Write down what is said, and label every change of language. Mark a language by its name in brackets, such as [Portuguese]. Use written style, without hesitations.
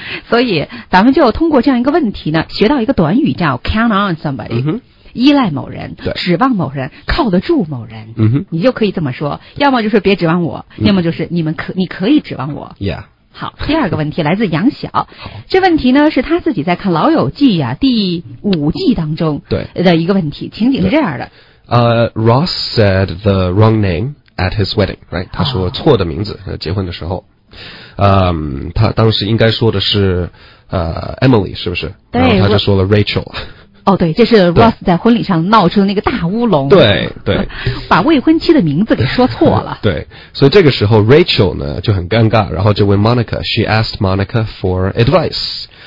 [Chinese] 所以咱们就通过这样一个问题呢，学到一个短语叫 [English] count on somebody， [Chinese] 依赖某人，指望某人，靠得住某人。你就可以这么说，要么就是别指望我，要么就是你可以指望我。 [English] Yeah。 [Chinese] 好，第二个问题来自杨晓，这问题呢是他自己在看《老友记》呀第五季当中的一个问题，情景是这样的。 [English] Ross said the wrong name at his wedding, right? [Chinese] 他说错的名字结婚的时候。他当时应该说的是Emily, 是不是？对。然后他就说了 Rachel。哦，对，这是 Ross 在婚礼上闹出的那个大乌龙。对对。把未婚妻的名字给说错了。对。所以这个时候 Rachel 呢就很尴尬，然后就问 Monica, [English] she asked Monica for advice.